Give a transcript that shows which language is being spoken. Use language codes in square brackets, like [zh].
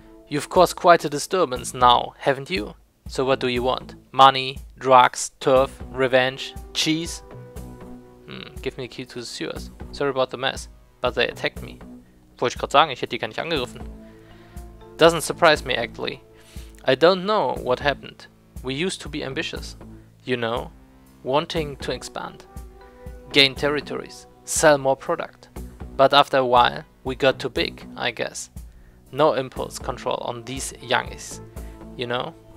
[en] You've caused quite a disturbance now, haven't you? So what do you want? Money, drugs, turf, revenge, cheese? Give me the key to the sewers. Sorry about the mess, but they attacked me. [de] Wollte ich gerade sagen, ich hätte die gar nicht angegriffen. [en] Doesn't surprise me, actually. I don't know what happened. We used to be ambitious, you know, wanting to expand, gain territories, sell more product. But after a while, we got too big, I guess. No impulse control on these youngies, you know?